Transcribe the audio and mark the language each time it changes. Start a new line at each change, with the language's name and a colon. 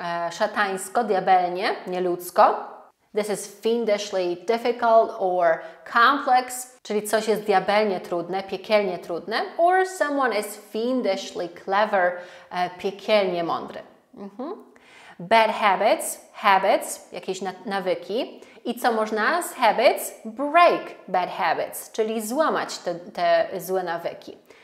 Polish: Szatańsko, diabelnie, nieludzko.
English: This is fiendishly difficult or complex.
Polish: Czyli coś jest diabelnie trudne, piekielnie trudne.
English: Or someone is fiendishly clever,
Polish: piekielnie mądry. Mm-hmm. Bad habits, jakieś nawyki. I co można z habits?
English: Break bad habits,
Polish: czyli złamać te złe nawyki.